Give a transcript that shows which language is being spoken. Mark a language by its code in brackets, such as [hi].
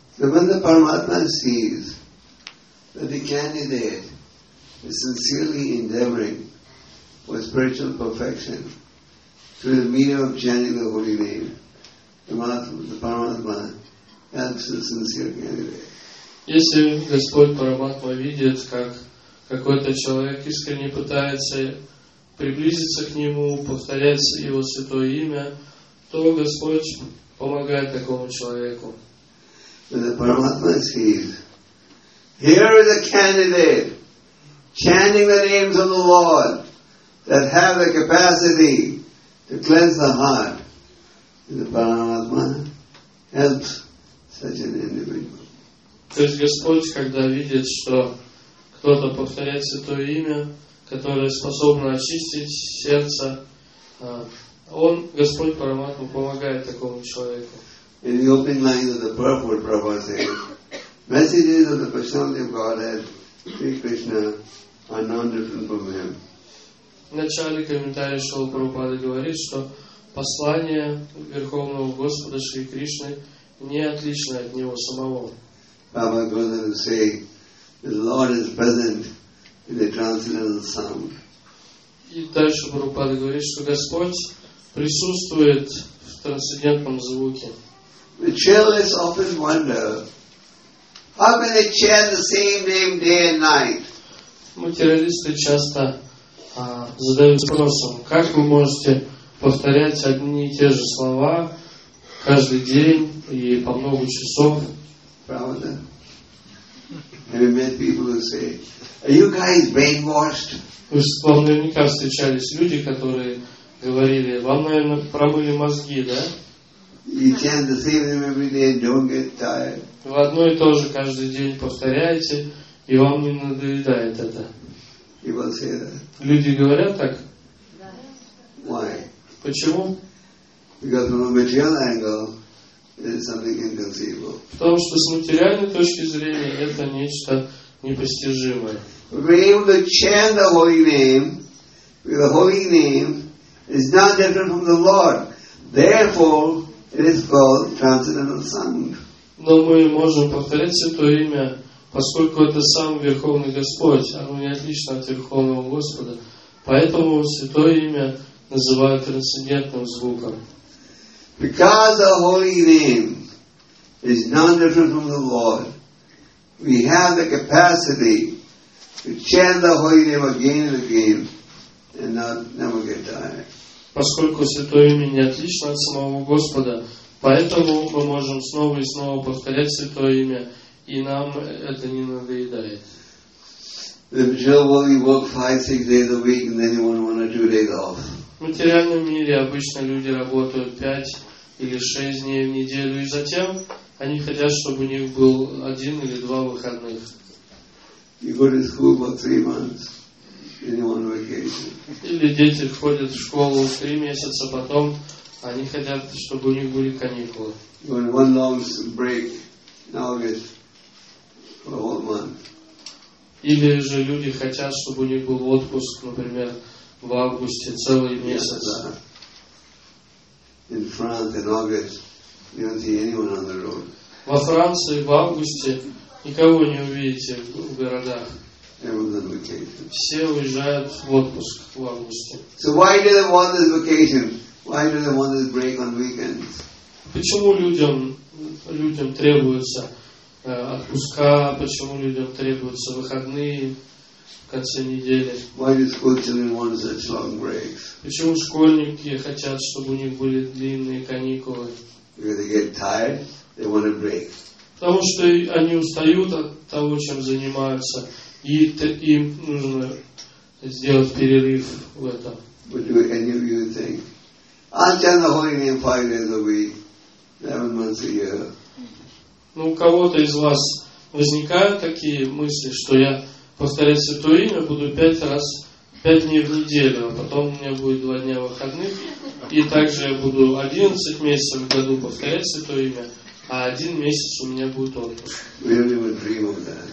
[en] So when the Paramatma sees that the candidate is sincerely endeavoring for spiritual perfection through the medium of chanting the holy name, the Paramatma helps the sincere candidate. [ru] Если Господь Параматма видит, как какой-то человек искренне пытается приблизиться к Нему, повторять Его Святое Имя, то Господь помогает такому человеку. [en] When the Paramatma sees, here is a candidate chanting the names of the Lord that have the capacity to cleanse the heart. And the Paramatma helps such an individual. [ru] То есть Господь, когда видит, что кто-то повторяет Святое Имя, которое способно очистить сердце, Он, Господь Параматма, помогает такому человеку. [en] In the opening line of the purport Prabhupada says, messages of the Personality of Godhead, Sri Krishna, are non-different from Him. [ru] В начале комментария Шрила Прабхупада говорит, что послание Верховного Господа Шри Кришны не отлично от Него самого. [en] Baba goes on to say, the Lord is present in the transcendental sound. [ru] И дальше Прабхупада говорит, что Господь присутствует в трансцендентном звуке. [en] The chairless often wonder, how can they chant the same name day and night? [ru] Материалисты часто задают вопросом, как вы можете повторять одни и те же слова каждый день и по много часов? Правда? [en] Have you met people who say, are you guys brainwashed? [ru] Вы наверняка встречались люди, которые говорили, вам, наверное, промыли мозги, да? [en] You chant the same thing every day and don't get tired. [ru] Вы одно и то же каждый день повторяете, и вам не надоедает это. [en] People say that. [ru] Люди говорят так? [en] Why? [ru] Почему? [en] Because from a material angle, it is something inconceivable. [ru] Потому что с материальной точки зрения это нечто непостижимое. [en] We're able to chant the holy name, because the holy name is not different from the Lord. Therefore, it is called transcendental sound. [ru] Но мы можем повторять Святое Имя, поскольку это сам Верховный Господь, оно не отлично от Верховного Господа. Поэтому Святое Имя называют трансцендентным звуком. [en] Because the Holy Name is not different from the Lord, we have the capacity to chant the Holy Name again and again and not never get tired. Поскольку Святое Имя не отлично от самого Господа, поэтому мы можем снова и снова повторять Святое Имя, и нам это не надоедает. [ru] В материальном мире обычно люди работают 5 или 6 дней в неделю, и затем они хотят, чтобы у них был 1 или 2 выходных. [en] You go to school for 3 months, then you want vacation. [ru] Или дети ходят в школу 3 месяца, потом они хотят, чтобы у них были каникулы. [en] You want one long break in August. [ru] Или же люди хотят, чтобы у них был отпуск, например, в августе целый месяц. [en] In France, in August, you don't see anyone on the road. [ru] Во Франции в августе никого не увидите в городах. Все уезжают в отпуск в августе. [en] So why do they want this vacation? Why do they want this break on weekends? [ru] Почему людям требуется отпуска, почему людям требуются выходные в конце недели? [en] Why do school children want such long breaks? [ru] Почему школьники хотят, чтобы у них были длинные каникулы? [en] Because they get tired, they want a break. [ru] Потому что они устают от того, чем занимаются, и им нужно сделать перерыв в этом. [en] But do any of you think, I'll chant the holy name 5 days a week, 7 months a year. [ru] Ну, у кого-то из вас возникают такие мысли, что я повторять Святое Имя буду 5 дней в неделю, а потом у меня будет 2 дня выходных, и также я буду 11 месяцев в году повторять Святое Имя, а 1 месяц у меня будет отпуск.